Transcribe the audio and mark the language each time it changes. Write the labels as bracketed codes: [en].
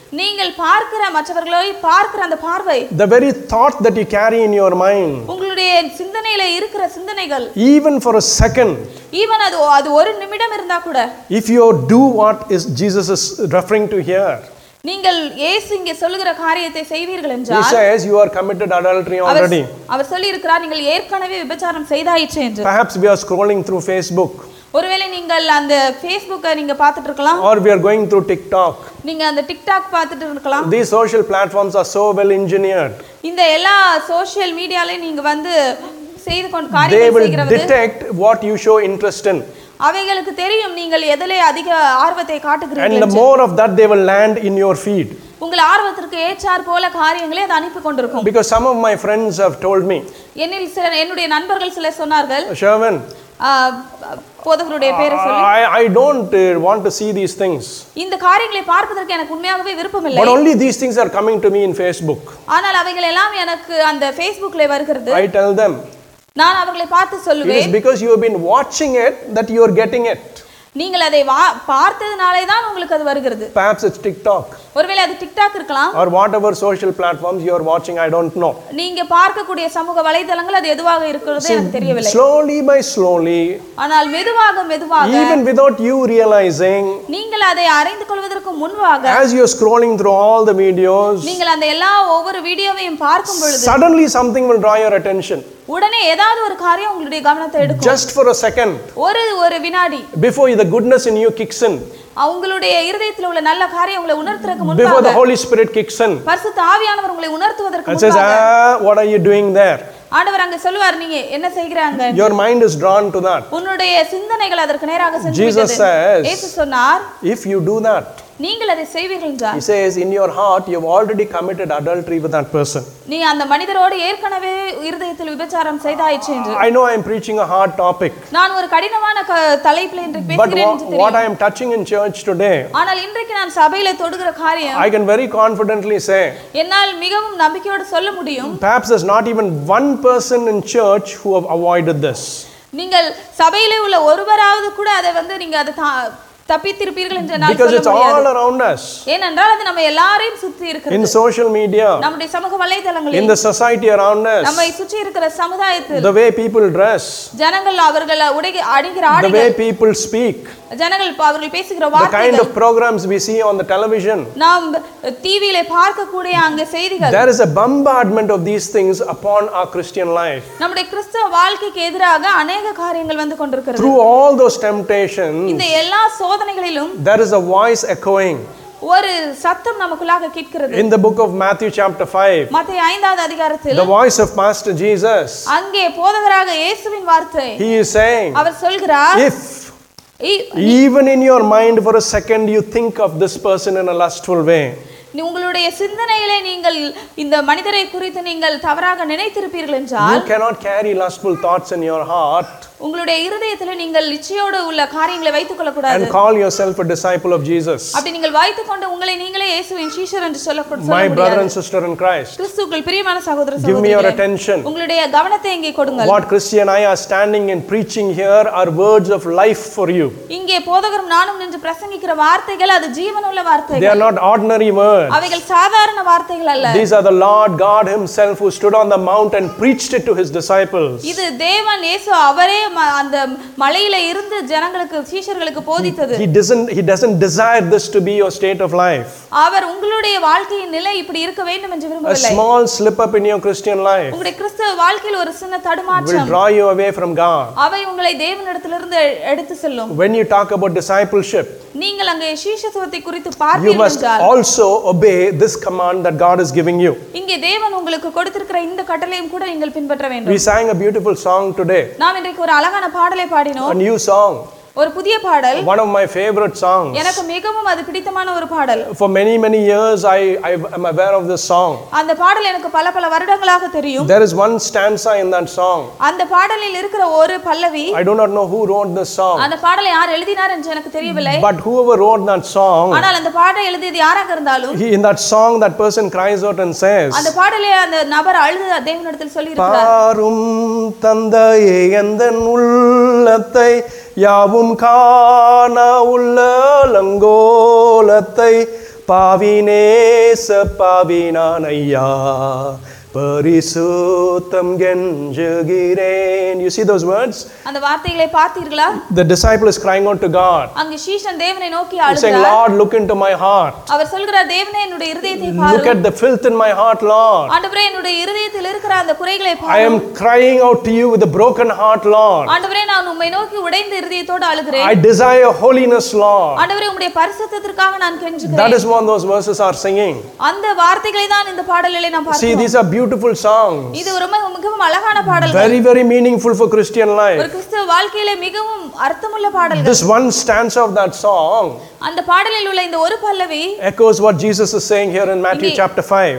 [ta] நீங்கள் பார்க்கிற மற்றவர்களை பார்க்கிற அந்த பார்வை. [en] The very thought that you carry in your mind. [ta] உங்களுடைய சிந்தனையிலே இருக்கிற சிந்தனைகள். [en] Even for a second. [ta] Even அது ஒரு நிமிடம் இருந்தா கூட. [en] If you do what is Jesus is referring to here. [ta] நீங்கள் இயேசு இங்கே சொல்லுகிற காரியத்தை செய்வீர்கள் என்றால் [en] He says you are committed adultery already. [ta] அவர் சொல்லி இருக்கிறார் நீங்கள் ஏற்கனவே விபச்சாரம் செய்தாயிற்று என்று. [en] Perhaps we are scrolling through Facebook. [ta] ஒருவேளை நீங்கள் அந்த Facebook-ஐ நீங்க பார்த்துட்டு இருக்கலாம். [en] Or we are going through TikTok. [ta] நீங்க அந்த TikTok பார்த்துட்டு இருக்கலாம். [en] These social platforms are so well engineered. [ta] இந்த எல்லா சோஷியல் மீடியாலயே நீங்க வந்து செய்து கொண்ட காரியத்தை செய்கிறவங்க [en] They will detect what you show interest in. [ta] அவைகளுக்கு தெரியும் நீங்கள் எதிலே அதிக ஆர்வத்தை காட்டுகிறீர்கள் என்று. [en] And the more of that they will land in your feed. [ta] உங்கள் ஆர்வத்திற்கு ஏற்றார் போல காரியங்களை அது அனுப்பி கொண்டிருக்கும். [en] Because some of my friends have told me. [ta] என்னில் சில என்னுடைய நண்பர்கள் சில சொன்னார்கள். [en] Sherman. [ta] போதகருடைய பேரை சொல்லி. [en] I don't want to see these things. [ta] இந்த காரியங்களை பார்ப்பதற்கு எனக்கு உண்மையாகவே விருப்பம் இல்லை. [en] But only these things are coming to me in Facebook. [ta] ஆனால் அவைகள் எல்லாம் எனக்கு அந்த Facebook-லே வருகிறது. [en] I tell them. [ta] நான் அவர்களை பார்த்து சொல்லுவேன். [en] It is because you have been watching it that you are getting it. [ta] நீங்கள் அதை பார்த்ததனாலே தான் உங்களுக்கு அது வருகிறது. [en] Perhaps it's TikTok. [ta] ஒருவேளை அது TikTok இருக்கலாம். [en] Or whatever social platforms you are watching, I don't know. [ta] நீங்க பார்க்கக்கூடிய சமூக வலைதளங்கள் அது எதுவாக இருக்கிறது எனக்கு தெரியவில்லை. [en] Slowly by slowly. [ta] ஆனால் மெதுவாக மெதுவாக. [en] Even without you realizing. [ta] நீங்கள் அதை அறிந்து கொள்வதற்கு முன்பாக. [en] As you are scrolling through all the videos. [ta] நீங்கள் அந்த எல்லா ஒவ்வொரு வீடியோவையும் பார்க்கும் பொழுது. [en] Suddenly something will draw your attention. [ta] உடனே ஏதாவது ஒரு காரியம் உங்களுடைய கவனத்தை எடுக்கும். [en] Just for a second. [ta] ஒரு வினாடி. [en] Before the goodness in you kicks in. [ta] அவங்களுடைய இதயத்தில் உள்ள நல்ல காரியம் உங்களை உணர்த்துறதுக்கு முன்பாக. [en] Before the Holy Spirit kicks in. [ta] பரிசுத்த ஆவியானவர் உங்களை உணர்த்துவதற்கு முன்பாக. [en] It says, what are you doing there? [ta] ஆண்டவர் அங்க சொல்வார் நீங்க என்ன செய்கிறாங்க. [en] Your mind is drawn to that. [ta] உன்னுடைய சிந்தனைகள் அதற்கு நேராக சென்று. [en] Jesus says. [ta] இயேசு சொன்னார். [en] If you do that. [ta] நீங்கள் அதை செய்வீர்கள் என்றார். [en] He says in your heart you have already committed adultery with that person. [ta] நீ அந்த மனிதரோடு ஏற்கனவே இதயத்தில் விபச்சாரம் செய்தாயிற்று என்று. [en] I know I am preaching a hard topic. [ta] நான் ஒரு கடினமான தலைப்பில் இன்று பேசுகிறேன் என்று தெரியும். [en] But what I am touching in church today. [ta] ஆனால் இன்றைக்கு நான் சபையிலே தொடுகிற காரியம். [en] I can very confidently say. [ta] என்னால் மிகவும் நம்பிக்கையோடு சொல்ல முடியும். [en] Perhaps there's not even one person in church who have avoided this. [ta] நீங்கள் சபையிலே உள்ள ஒருவராவது கூட அதை வந்து நீங்க அதை தப்பித்திருப்பீர்கள் என்று நான் சொல்ல முடியாது. [en] Because it's all around us. [ta] ஏனென்றால் அது நம்ம எல்லாரையும் சுத்தி இருக்கிறது. [en] In social media. [ta] நம்முடைய சமூக வலைதளங்களில். [en] In the society around us. [ta] நம்மை சுத்தி இருக்கிற சமூகத்தில். [en] The way people dress. [ta] ஜனங்கள் அவர்கள் உடை அணிகிற ஆடைகள். [en] The way people speak. [ta] ஜனங்கள் அவர்கள் பேசுகிற வார்த்தைகள். [en] The kind of programs we see on the television. [ta] நாம் டிவியில பார்க்கக்கூடிய அங்க செய்திகள். [en] There is a bombardment of these things upon our Christian life. [ta] நம்முடைய கிறிஸ்தவ வாழ்க்கைக்கு எதிராக [hi] अनेक [ta] காரியங்கள் வந்து கொண்டிருக்கிறது. [en] Through all those temptations. [ta] இந்த எல்லா சோதனைகளிலும். [en] There is a voice echoing. [ta] ஒரு சத்தம் நமக்குள்ளாக கேட்கிறது. [en] In the book of Matthew chapter 5. [ta] மத்தேயு 5வது அதிகாரத்தில். [en] The voice of Master Jesus. [ta] அங்கே போதகராக இயேசுவின் வார்த்தை. [en] He is saying. [ta] அவர் சொல்கிறார். [en] If Even in your mind for a second you think of this person in a lustful way. [ta] உங்களுடைய சிந்தனையிலே நீங்கள் இந்த மனிதரை குறித்து நீங்கள் தவறாக நினைத்திருப்பீர்கள் என்றால் [en] You cannot carry lustful thoughts in your heart. [ta] உங்களுடைய இதயத்தில் நீங்கள் இச்சையோடு உள்ள காரியங்களை வைத்துக் கொள்ள கூடாது. [en] And call yourself a disciple of Jesus. [ta] அப்படி நீங்கள் வைத்துக் கொண்டு உங்களை நீங்களே இயேசுவின் சீஷர் என்று சொல்லக்கூடாது. [en] My brother and sister in Christ. [ta] கிறிஸ்துவுக்குள் பிரியமான சகோதர சகோதரி. [en] Give me your attention. [ta] உங்களுடைய கவனத்தை இங்கே கொடுங்கள். [en] What Christian I are standing and preaching here are words of life for you. [ta] இங்கே போதகரும் நானும் நின்று பிரசங்கிக்கிற வார்த்தைகள் அது ஜீவனுள்ள வார்த்தைகள். [en] They are not ordinary words. [ta] அவைகள் சாதாரண வார்த்தைகள் அல்ல. [en] These are the Lord God himself who stood on the mount and preached it to his disciples. [ta] இது தேவன் இயேசு அவரே அந்த மலையில இருந்து ஜனங்களுக்கு சீஷர்களுக்கு போதித்தது. [en] He doesn't desire this to be your state of life. [ta] அவர் உங்களுடைய வாழ்க்கையின் நிலை இப்படி இருக்க வேண்டும் என்று விரும்பவில்லை. [en] A small slip up in your Christian life. [ta] உங்களுடைய கிறிஸ்தவ வாழ்க்கையில் ஒரு சின்ன தடுமாற்றம். [en] Will draw you away from God. [ta] அவை உங்களை தேவனிடத்திலிருந்து எடுத்து செல்லும். [en] When you talk about discipleship. [ta] நீங்கள் அங்க சீஷத்துவத்தை குறித்து பார்ப்பீர்கள். [en] You must also obey this command that God is giving you. [ta] இங்கே தேவன் உங்களுக்கு கொடுத்திருக்கிற இந்த கட்டளையும் கூட நீங்கள் பின்பற்ற வேண்டும். [en] We sang a beautiful song today. [ta] நாம் இன்றைக்கு ஒரு அழகான பாடலை பாடினோம். [en] A new song. [ta] ஒரு புதிய பாடல். [en] One of my favorite songs. [ta] எனக்கு மிகவும் அது பிடித்தமான ஒரு பாடல். [en] For many years I am aware of this song. [ta] அந்த பாடல் எனக்கு பல வருடங்களாக தெரியும். [en] There is one stanza in that song. [ta] அந்த பாடலில் இருக்கிற ஒரு பல்லவி. [en] I do not know who wrote this song. [ta] அந்த பாடலை யார் எழுதினார் என்று எனக்கு தெரியவில்லை. [en] But whoever wrote that song. [ta] ஆனால் அந்த பாடலை எழுதியது யாராக இருந்தாலும். [en] In that song that person cries out and says. [ta] அந்த பாடலில் அந்த நபர் அழுது தேவனிடத்தில் சொல்லி இருக்கிறார். பாரும் தந்தையே எந்தன் உள்ளத்தை யாவும் காண உள்ள லங்கோலத்தை பாவினேச பாவினான் ஐயா பரிசுத்தம் கெஞ்சுகிறேன். [en] You see those words? [ta] அந்த வார்த்தைகளை பார்த்தீர்களா? [en] The disciple is crying out to God. [ta] அங்க சீஷன் தேவனை நோக்கி அழுகிறார். [en] He's saying, Lord, look into my heart. [ta] அவர் சொல்கிறார், தேவனே என்னுடைய இருதயத்தை பார். [en] Look at the filth in my heart, Lord. [ta] ஆண்டவரே, என்னுடைய இருதயத்தில் இருக்கிற அந்த குறைகளை பார். [en] I am crying out to you with a broken heart, Lord. [ta] ஆண்டவரே, நான் உம்மை நோக்கி உடைந்த இருதயத்தோடு அழுகிறேன். [en] I desire holiness, Lord. [ta] ஆண்டவரே, உம்முடைய பரிசுத்தத்திற்காக நான் கெஞ்சுகிறேன். [en] That is what those verses are singing. [ta] அந்த வார்த்தைகளை தான் இந்த பாடலிலே நாம் பார்க்கிறோம். [en] See, these are beautiful full songs. [ta] இது ஒரு மிகவும் அழகான பாடல். [en] Very very meaningful for Christian life. [ta] ஒரு கிறிஸ்தவ வாழ்க்கையிலே மிகவும் அர்த்தமுள்ள பாடல்கள். [en] This one stanza of that song. [ta] அந்த பாடலில் உள்ள இந்த ஒரு பல்லவி [en] echoes what Jesus is saying here in Matthew chapter 5.